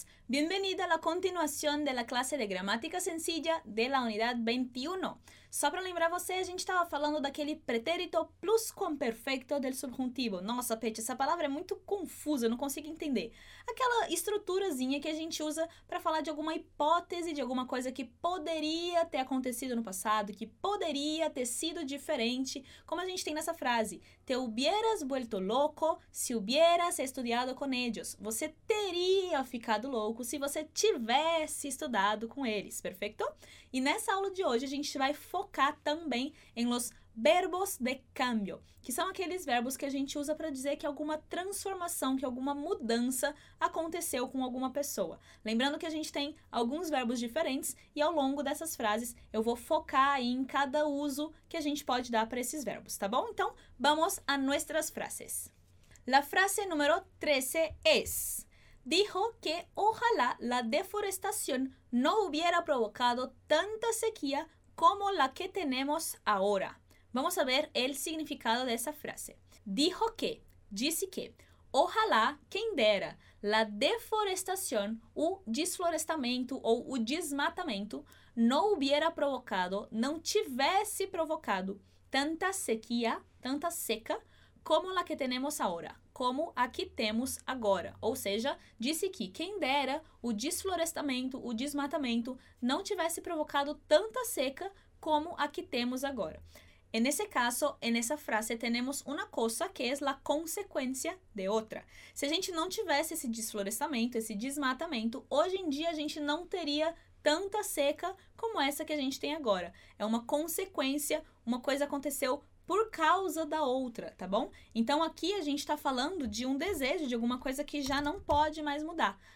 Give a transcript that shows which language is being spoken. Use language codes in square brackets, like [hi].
[es] Bienvenida a la continuación de la clase de gramática sencilla de la unidad 21. [pt] Só para lembrar você, a gente estava falando daquele pretérito plus com perfecto del subjuntivo. Nossa, Pet, essa palavra é muito confusa, eu não consigo entender. Aquela estruturazinha que a gente usa para falar de alguma hipótese, de alguma coisa que poderia ter acontecido no passado, que poderia ter sido diferente, como a gente tem nessa frase. [es] Te hubieras vuelto louco si hubieras estudiado con ellos. [pt] Você teria ficado louco se você tivesse estudado com eles, perfeito? E nessa aula de hoje, a gente vai focar também em [es] los verbos de cambio, [pt] que são aqueles verbos que a gente usa para dizer que alguma transformação, que alguma mudança aconteceu com alguma pessoa. Lembrando que a gente tem alguns verbos diferentes e ao longo dessas frases eu vou focar aí em cada uso que a gente pode dar para esses verbos, tá bom? [es] Então, vamos a nuestras frases. La frase número 13 es: dijo que ojalá la deforestación no hubiera provocado tanta sequía como la que tenemos ahora. Vamos a ver el significado de esa frase. Dijo que, [pt] disse que, [es] ojalá, [pt] quem dera, [es] la deforestación, [pt] o desflorestamento ou o desmatamento, [es] no hubiera provocado, [pt] não tivesse provocado, [es] tanta sequía, [pt] tanta seca, [es] como la que tenemos ahora, [pt] como a que temos agora. Ou seja, disse que quem dera o desflorestamento, o desmatamento, não tivesse provocado tanta seca como a que temos agora. [es] En ese caso, en esa frase, tenemos una cosa que es la consecuencia de otra. [pt] Se a gente não tivesse esse desflorestamento, esse desmatamento, hoje em dia a gente não teria tanta seca como essa que a gente tem agora. É uma consequência, uma coisa aconteceu por causa da outra, tá bom? Então, aqui a gente está falando de um desejo, de alguma coisa que já não pode mais mudar.